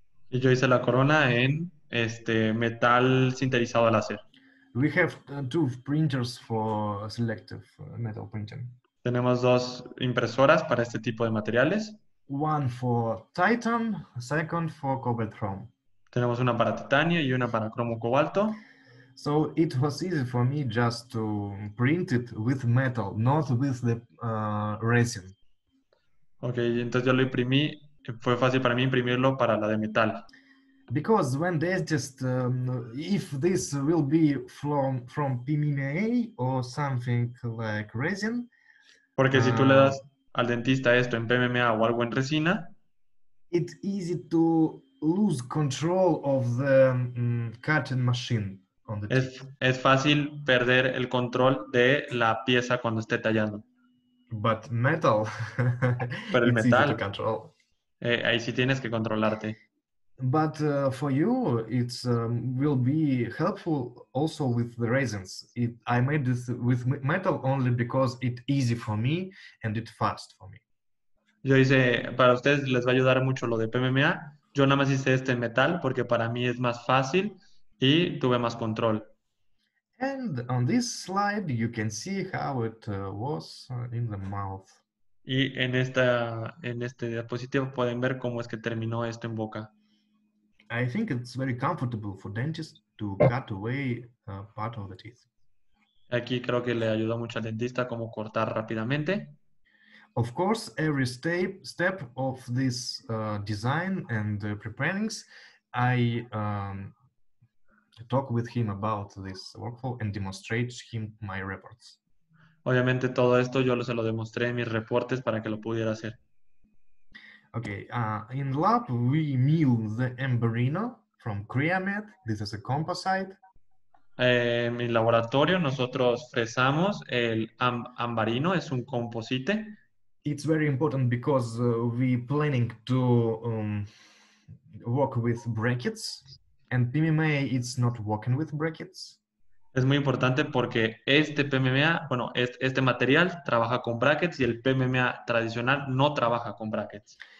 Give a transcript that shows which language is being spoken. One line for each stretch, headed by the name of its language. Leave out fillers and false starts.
Spanish: Y yo hice la corona en este metal sintetizado a láser.
English: We have two printers for selective metal printing.
Spanish: Tenemos dos impresoras para este tipo de materiales.
English: One for titanium, second for cobalt chrome.
Spanish: Tenemos una para titanio y una para cromo cobalto.
English: So it was easy for me just to print it with metal, not with the resin.
Spanish: Okay, entonces yo lo imprimí, fue fácil para mí imprimirlo para la de metal.
English: Because when they just, if this will be from PMMA or something like resin.
Spanish: Porque si tú le das al dentista esto en PMMA o algo en resina.
English: It's easy to lose control of the cutting machine.
Spanish: Es fácil perder el control de la pieza cuando esté tallando.
English: But metal.
Spanish: Pero el metal.
English: Easy to control.
Spanish: Ahí sí tienes que controlarte.
English: But for you, it will be helpful also with the resins. I made this with metal only because it's easy for me and it's fast for me.
Spanish: Yo hice, para ustedes les va a ayudar mucho lo de PMMA. Yo nada más hice este en metal porque para mí es más fácil y tuve más control.
English: And on this slide, you can see how it was in the mouth.
Spanish: Y en este diapositivo pueden ver cómo es que terminó esto en boca.
English: I think it's very comfortable for dentists to cut away part of the teeth.
Spanish: Aquí creo que le ayudó mucho al dentista cómo cortar rápidamente.
English: Of course, every step of this design and preparings, I talk with him about this workflow and demonstrate him my reports.
Spanish: Obviamente todo esto yo se lo demostré en mis reportes para que lo pudiera hacer.
English: Okay, in lab we mill the Emberino from Creamed. This is a composite.
Spanish: En mi laboratorio nosotros fresamos el Ambarino, es un composite.
English: It's very important because we planning to work with brackets and PMMA it's not working with brackets.
Spanish: Es muy importante porque este PMMA, bueno, este material trabaja con brackets y el PMMA tradicional no trabaja con brackets.